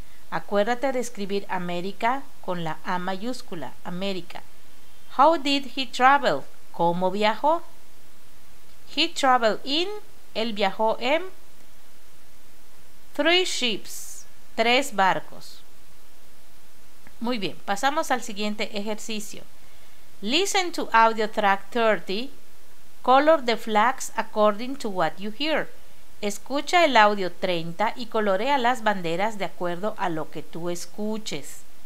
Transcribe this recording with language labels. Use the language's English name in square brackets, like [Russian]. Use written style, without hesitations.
[Spanish] Acuérdate de escribir América con la A mayúscula, América. [English] How did he travel? [Spanish] ¿Cómo viajó? [English] He traveled in, [Spanish] él viajó en [English] three ships, [Spanish] tres barcos. Muy bien, pasamos al siguiente ejercicio. [English] Listen to audio track 30, color the flags according to what you hear. [Spanish] Escucha el audio 30 y colorea las banderas de acuerdo a lo que tú escuches.